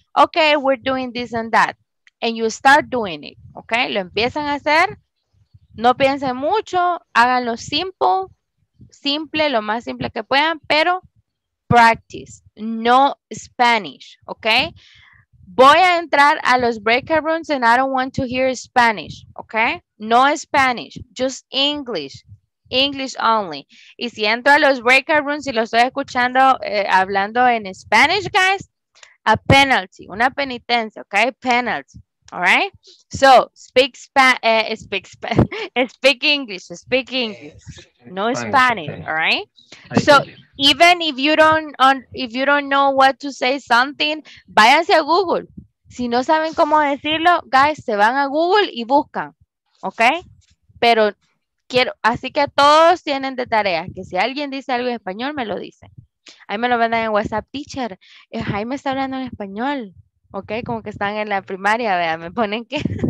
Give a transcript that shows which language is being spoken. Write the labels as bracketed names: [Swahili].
[English] Okay, we're doing this and that, and you start doing it, okay? [Spanish] Lo empiezan a hacer, no piensen mucho, háganlo simple, lo más simple que puedan, pero [English] practice, no Spanish, okay? [Spanish] Voy a entrar a los [English] breakout rooms and I don't want to hear Spanish, okay? No Spanish, just English. English only. [Spanish] Y si entro a los breakout rooms y lo estoy escuchando hablando en Spanish, guys, a penalty, una penitencia, okay? [English] Penalty. All right? So, speak English, speak English. No Spanish, all right? So, even if you don't know what to say something, [Spanish] váyanse a Google. Si no saben cómo decirlo, guys, se van a Google y buscan, okay? Pero quiero, así que todos tienen de tarea que si alguien dice algo en español, me lo dicen. Ahí me lo mandan en WhatsApp, teacher. Jaime está hablando en español. Ok, como que están en la primaria, vea, me ponen que.